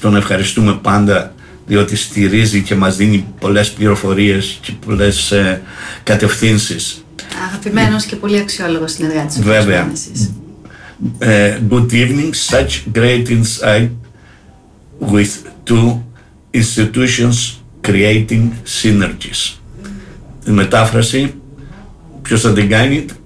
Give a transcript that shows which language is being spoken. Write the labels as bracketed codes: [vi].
[el] Τον ευχαριστούμε πάντα, διότι στηρίζει και μας δίνει πολλές πληροφορίες και πολλές κατευθύνσεις. Αγαπημένος και πολύ αξιόλογος συνεργάτης. Βέβαια. [en] Good evening, such great insight with two institutions creating synergies. [el] Η μετάφραση, ποιος θα την κάνει?